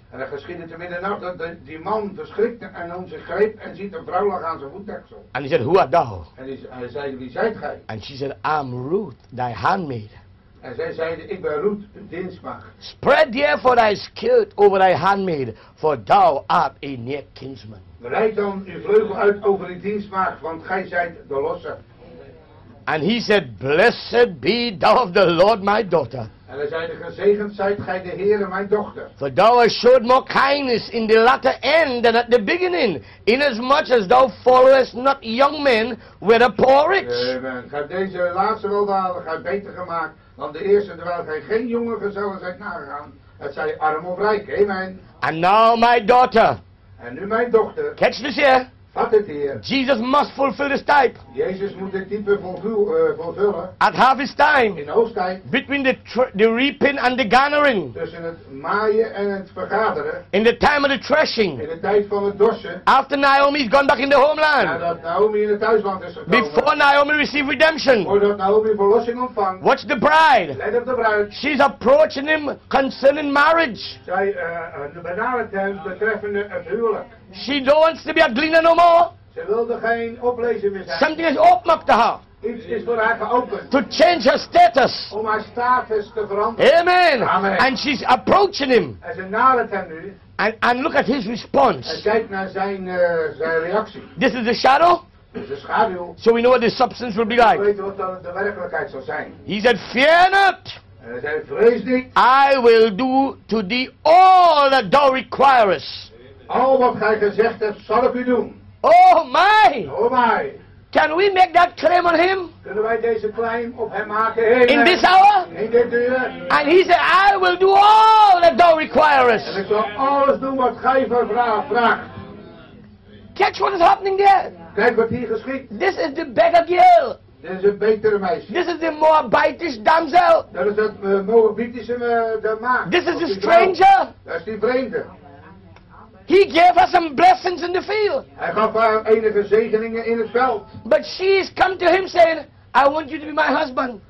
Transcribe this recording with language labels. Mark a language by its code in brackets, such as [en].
[nl] En er geschiedde te middernacht dat die man verschrikte en om zich greep en ziet een vrouw lag aan zijn voetdeksel. [en] And he said, who art thou? [nl] En hij zei, wie zijt gij? [en] And she said, I'm Ruth, thy handmaid. [nl] En zij zeide, ik ben Ruth, dienstmaagd. [en] Spread therefore thy skirt over thy handmaid, for thou art a near kinsman. [nl] Breid dan uw vleugel uit over die dienstmaagd, want gij zijt de losser. [en] And he said, blessed be thou of the Lord, my daughter. [nl] En hij zeide, gezegend zijt gij de Heere, mijn dochter. [en] For thou hast showed more kindness in the latter end than at the beginning, inasmuch as thou followest not young men, whether poor or rich. Amen. [nl] Gij hebt deze laatste weldadigheid beter gemaakt. Want de eerste, terwijl gij geen jonge gezellen zijt nagegaan, het zij arm of rijk, amen. [en] And now my daughter. [nl] En nu mijn dochter. [en] Catch this here. [nl] Vat het hier. [en] Jesus must fulfill this type. [nl] Jezus moet dit type vervullen. [en] At harvest time. [nl] In oogsttijd. [en] Between the reaping and the garnering. [nl] Tussen het maaien en het vergaderen. [en] In the time of the threshing. [nl] In de tijd van het dorsen. [en] After Naomi's gone back in the homeland. [nl] Nadat Naomi in het thuisland is gekomen. [en] Before Naomi received redemption. [nl] Voordat Naomi verlossing ontvangt. [en] Watch the bride. [nl] Let op de bruid. [en] She's approaching him concerning marriage. [nl] Zij benadert hem betreffende het huwelijk. [en] She don't want to be a gleaner no more. [nl] Ze wilde geen oplezer meer zijn. [en] Something is open up to her. [nl] Iets is voor haar geopend. [en] To change her status. [nl] Om haar status te veranderen. [en] Amen. [nl] Amen. [en] And she's approaching him. [nl] En ze nadert hem nu. [en] And look at his response. [nl] En kijk naar zijn reactie. [en] This is the shadow. [nl] Dus de schaduw. [en] So we know what the substance will be like. [nl] We weten wat dan de werkelijkheid zal zijn. [en] He said, fear not. [nl] En hij zei, vrees niet. [en] I will do to thee all that thou requirest. [nl] Al wat gij gezegd hebt, zal ik u doen. [en] Oh my! [nl] Oh my! [en] Can we make that claim on him? [nl] Kunnen wij deze claim op hem maken? [en] Amen. In this hour? [nl] In dit uur. [en] And he said, I will do all that thou requirest. [nl] En ik zal alles doen wat gij vraagt. [en] Catch what is happening there. [nl] Kijk wat hier geschiet. [en] This is the beggar girl. [nl] Dit is een betere meisje. [en] This is the Moabitish damsel. [nl] Dat is het Moabitische maagd. [en] This is the stranger. [nl] Dat is die vreemde. [en] He gave her some blessings in the field. [nl] Hij gaf haar enige zegeningen in het veld. [en] But she's come to him saying, I want you to be my husband.